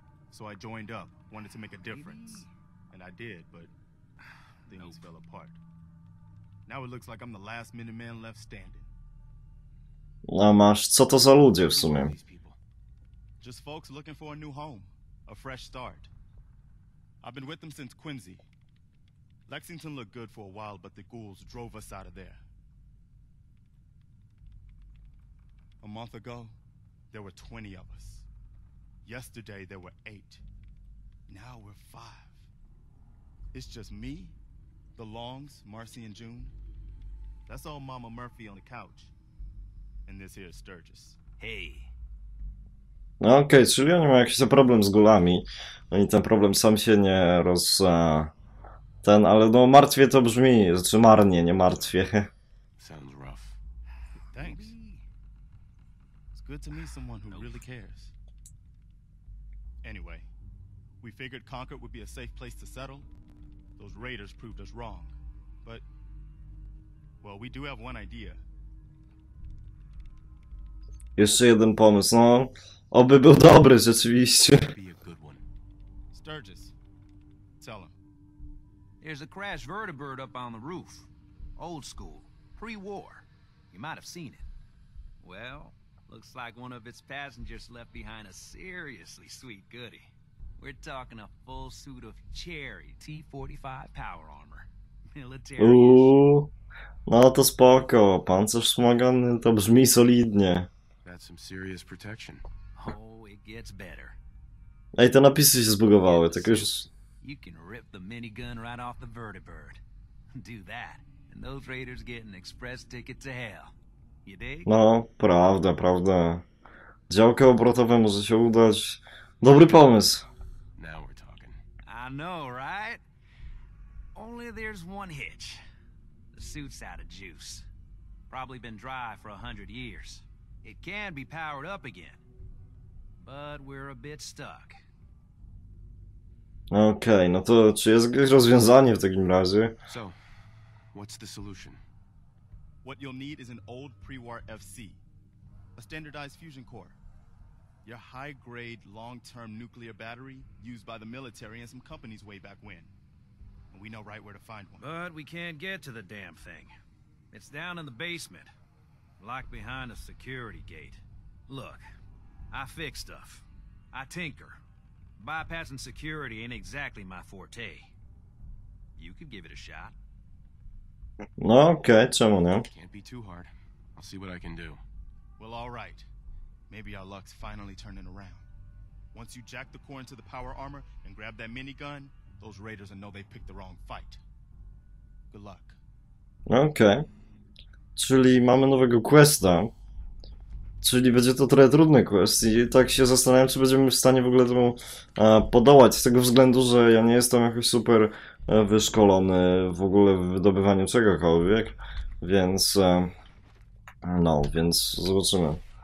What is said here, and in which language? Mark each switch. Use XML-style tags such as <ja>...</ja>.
<en>So I joined up, wanted to make a difference. And I did, but things nope. fell apart. Now it looks like I'm the last Minuteman left standing.</en> <pl>No masz, co to za ludzie w sumie?</pl> <en>Just folks looking for a new home, a fresh start. I've been with them since Quincy. Lexington looked good for a while, but the ghouls drove us out of there. A month ago, there were 20 of us. Yesterday there were 8. Now we're 5. It's just me, the Longs, Marcy and June. That's old Mama Murphy on the couch. And this here Sturgis. Hey.</en> <pl>No okej, okay, czyli oni mają jakiś problem z gulami. Oni ten problem sam się nie roz... Ten, ale no martwie to brzmi, znaczy marnie, nie martwie.</pl> <en>Sounds rough. Thanks. It's good to meet someone who really cares. Anyway, we figured Concord would be a safe place to settle. Those raiders proved us wrong. But, well, we do have one idea.</en> <pl>Jeszcze jeden pomysł, no. Oby był dobry, rzeczywiście.</pl> <en>Sturgis, tell him. There's a crashed vertebrate up on the roof. Old school, pre-war. You might have seen it. Well... Looks like one of its passengers left behind a seriously sweet goodie. We're talking a full suit of Cherry T-45 power armor. Military.</en> <pl>No to spoko, pancerz wspomagany, to brzmi solidnie.</pl> <en>That's some serious protection. Oh, it gets better.</en> <pl>Ej, te napisy się zbugowały, tak już.</pl> <en>You can rip the minigun right off the vertibird. Do that, and those raiders get an express ticket to hell.</en> <pl>No, prawda, prawda. Działkę obrotowe może się udać. Dobry pomysł.</pl> <en>Now we're talking. I know, right? Only there's one hitch. The suit's out of juice. Probably been dry for 100 years. It can be powered up again. But we're a bit stuck.</en> <pl>Okej, no to czy jest jakieś rozwiązanie w takim razie?</pl> <en>So, what's the solution? What you'll need is an old pre-war FC, a standardized fusion core, your high-grade, long-term nuclear battery used by the military and some companies way back when. And we know right where to find one. But we can't get to the damn thing. It's down in the basement, locked behind a security gate. Look, I fix stuff. I tinker. Bypassing security ain't exactly my forte. You could give it a shot.</en> <pl>No, okej, czemu nie?</pl> <en>Can't be too hard. I'll see what I can do. Well, all right. Maybe our luck's finally turning around. Once you jack the core into the power armor and grab that minigun, those raiders will know they picked the wrong fight. Good luck. Okej.</en> <pl>Czyli mamy nowego questa. Czyli będzie to trochę trudny quest i tak się zastanawiam, czy będziemy w stanie w ogóle temu podołać, z tego względu, że ja nie jestem jakoś super wyszkolony w ogóle w wydobywaniu czegokolwiek, więc no, więc zobaczymy.</pl>